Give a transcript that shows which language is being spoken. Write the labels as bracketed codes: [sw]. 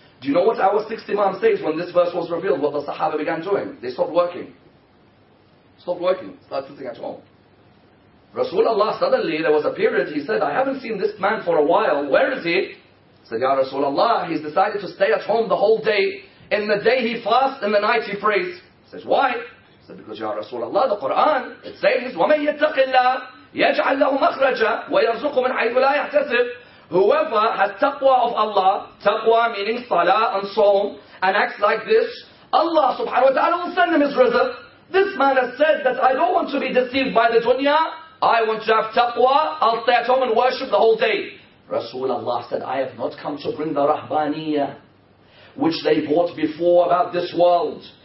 [en] Do you know what our sixth imam says when this verse was revealed? What the sahaba began doing? They stopped working. Started sitting at home. Rasulullah, suddenly there was a period, he said, I haven't seen this man for a while. Where is he? Said, Ya Rasulullah, he's decided to stay at home the whole day. In the day he fasts, in the night he prays. He says, why? He said, because Ya Rasulullah, the Quran, it says, [ar] وَمَن يَتَّقِ اللَّهِ يَجْعَلْ لَهُ مَخْرَجًا وَيَرْزُقُ مِنْ حَيْثُ لَا يَحْتَسِبُ. [en] Whoever has taqwa of Allah, taqwa meaning salah and sawm, and acts like this, Allah subhanahu wa ta'ala will send him his rizq. This man has said that I don't want to be deceived by the dunya, I want to have taqwa, I'll stay at home and worship the whole day. Rasulullah said, I have not come to bring the rahbaniya, which they brought before about this world.